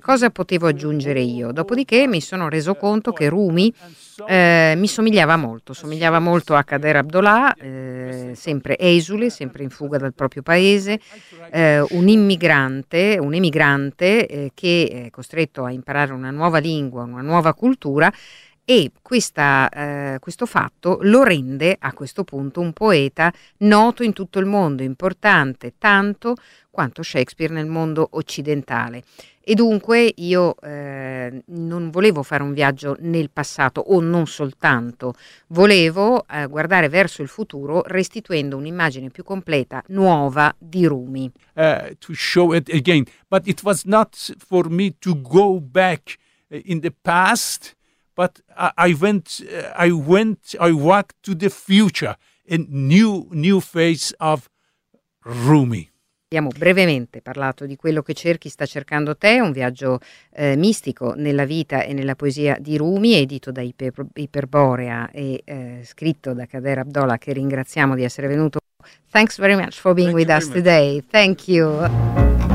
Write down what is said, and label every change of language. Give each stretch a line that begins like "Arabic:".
Italian: Cosa potevo aggiungere io? Dopodiché mi sono reso conto che Rumi mi somigliava molto a Kader Abdollah, sempre esule, sempre in fuga dal proprio paese, un emigrante che è costretto a imparare una nuova lingua, una nuova cultura, e questo fatto lo rende a questo punto un poeta noto in tutto il mondo, importante tanto quanto Shakespeare nel mondo occidentale. E dunque io non volevo fare un viaggio nel passato, o non soltanto, volevo guardare verso il futuro, restituendo un'immagine più completa, nuova, di Rumi.
English: To show it again, but it was not for me to go back in the past, but I walked to the future, a new face of Rumi.
Italian: Abbiamo brevemente parlato di Quello che cerchi sta cercando te, un viaggio mistico nella vita e nella poesia di Rumi, edito da Iperborea e scritto da Kader Abdollah, che ringraziamo di essere venuto.
English: Thanks very much for being with us today. Thank you.